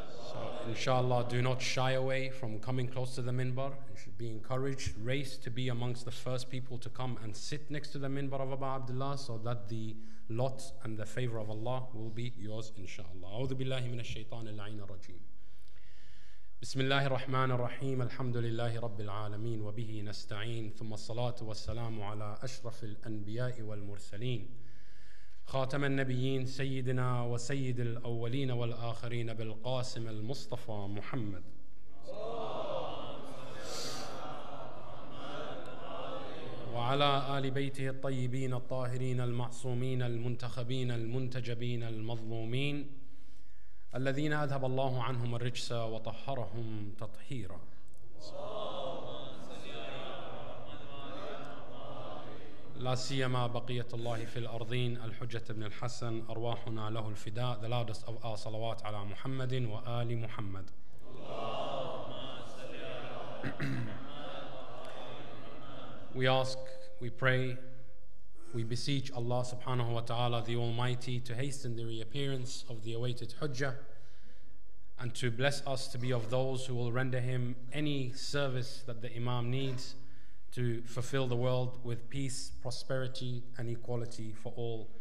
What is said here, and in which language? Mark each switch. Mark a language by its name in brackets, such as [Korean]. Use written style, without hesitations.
[English] So, inshallah, do not shy away from coming close to the minbar. You should be encouraged, race to be amongst the first people to come and sit next to the minbar of Aba Abdullah, so that the lot and the favor of Allah will be yours, inshallah. [Arabic] A'udhu billahi minash shaitan al-a'in ar-rajim. بسم الله الرحمن الرحيم الحمد لله رب العالمين وبه نستعين ثم الصلاة والسلام على أشرف الأنبياء والمرسلين خاتم النبيين سيدنا وسيد الأولين والآخرين بالقاسم المصطفى محمد وعلى آل بيته الطيبين الطاهرين المعصومين المنتخبين المنتجبين المظلومين الذين أذهب الله عنهم الرجس وطهرهم تطهيرا. لا سيما بقية الله في الأرضين الحجة بن الحسن أرواحنا له الفداء. [English] The loudest of our salawat [Arabic] على محمد وآل محمد. [English] We ask, we pray, we beseech Allah subhanahu wa ta'ala, the Almighty, to hasten the reappearance of the awaited Hujjah and to bless us to be of those who will render him any service that the Imam needs to fulfill the world with peace, prosperity, and equality for all.